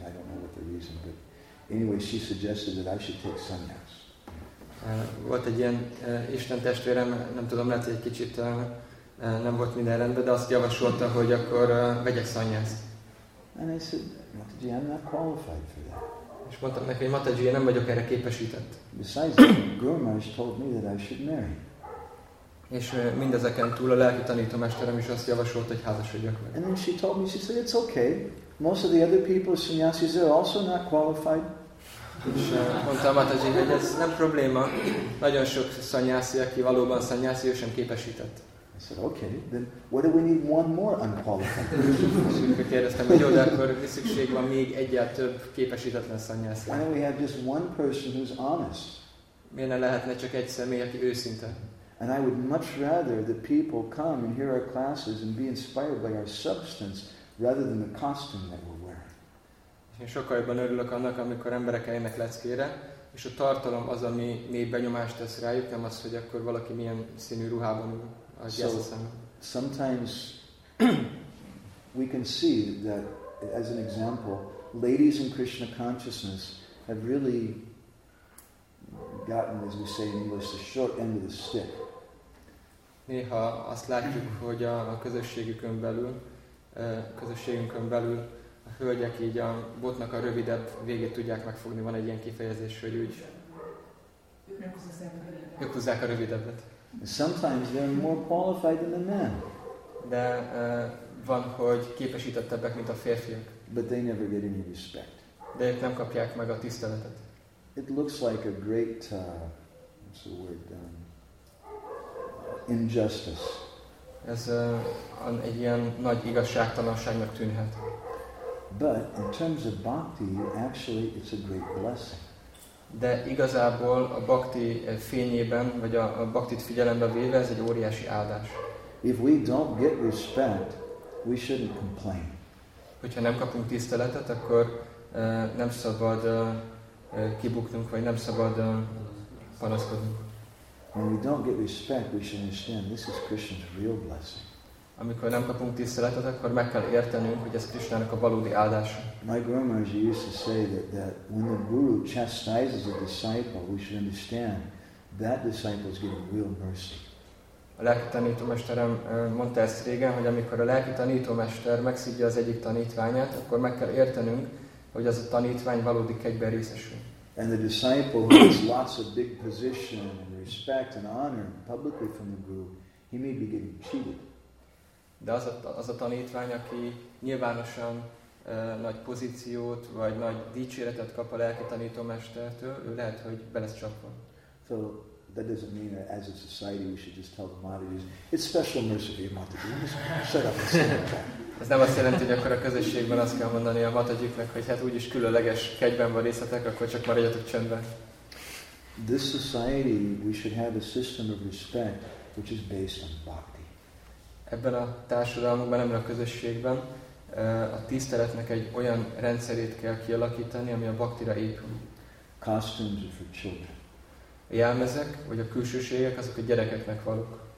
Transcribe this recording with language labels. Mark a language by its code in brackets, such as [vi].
[en] I don't know what the reason, but anyway, she suggested that I should take sannyas. [hu] Volt egy ilyen Isten testvérem, nem tudom, lehet, hogy egy kicsit nem volt minden rendben, de azt javasolta, hogy akkor vegyek sannyas. [en] And I said, Mataji, I'm not qualified for that. [hu] És mondtam neki, hogy Mataji, nem vagyok erre képesített. [en] Besides, the Guru Maharaj told me that I should marry. [hu] És mindezeken túl a lelki tanítómesterem is azt javasolt, hogy házasodjak meg. [en] And then she told me, she said, it's okay. Most of the other people, sannyasis, they're also not qualified. [hu] És mondta Mataji, hogy ez nem probléma. Nagyon sok sannyasi, aki valóban sannyasi, ő sem képesített. [en] I said, said, okay, then what do we need one more unqualified? Why don't we have just one person who's honest? [hu] Miért ne lehetne csak egy személy, aki őszinte? [en] And I would much rather that people come and hear our classes and be inspired by our substance rather than the costume that we're wearing. [hu] Én sokkal jobban örülök annak, amikor emberek eljönnek leckére, és a tartalom az, ami mély benyomást tesz rájuk, nem az, hogy akkor valaki milyen színű ruhában ül a jelszemben. [en] So, sometimes we can see that, as an example, ladies in Krishna consciousness have really gotten, as we say in English, the short end of the stick. [hu] Néha azt látjuk, hogy a közösségükön belül, a hölgyek így a botnak a rövidebb végét tudják megfogni. Van egy ilyen kifejezés, hogy úgy ők húzzák a rövidebbet. [en] Sometimes they're more qualified than the men. [hu] De van, hogy képesítettebbek, mint a férfiak. [en] But they never get any respect. [hu] De ők nem kapják meg a tiszteletet. [en] It looks like a great what's the word? Injustice. [hu] Ez egy ilyen nagy igazságtalanságnak tűnhet. [en] But in terms of bhakti, actually it's a great blessing. [hu] De igazából a bhakti fényében, vagy a bhaktit figyelembe véve, ez egy óriási áldás. [en] If we don't get respect, we shouldn't complain. [hu] Hogyha nem kapunk tiszteletet, akkor nem szabad kibuknunk, vagy nem szabad panaszkodnunk. [en] When we don't get respect, we should understand this is Krishna's real blessing. [hu] Amikor nem kapunk tiszteletet, akkor meg kell értenünk, hogy ez Krisnának a valódi áldása. [en] My Guru Maharaj used to say that when the guru chastises a disciple, we should understand that disciple is getting real mercy. [hu] A lelki tanítómesterem mondta ezt régen, hogy amikor a lelki tanítómester megszívja az egyik tanítványát, akkor meg kell értenünk, hogy az a tanítvány valódi kegyben részesül. [en] And the disciple who has lots of big position and respect and honor publicly from the guru, he may be getting cheated. [hu] De az a tanítvány, aki nyilvánosan nagy pozíciót vagy nagy dicséretet kap a lelki tanítómestertől, ő lehet, hogy be lesz csapva. [en] So that doesn't mean that as a society we should just tell the Mataji's, it's special mercy for you, Mataji, just set up a [hu] ez nem azt jelenti, hogy akkor a közösségben azt kell mondani a Matajiknek, hogy hát úgyis különleges kegyben van részletek, akkor csak maradjatok csendben. [en] This society we should have a system of respect which is based on bhakti. [hu] Ebben a társadalmunkban, ebben a közösségben a tiszteletnek egy olyan rendszerét kell kialakítani, ami a baktira épül. [en] Costumes are for children. [hu] A jelmezek, vagy a külsőségek, azok a gyerekeknek valók.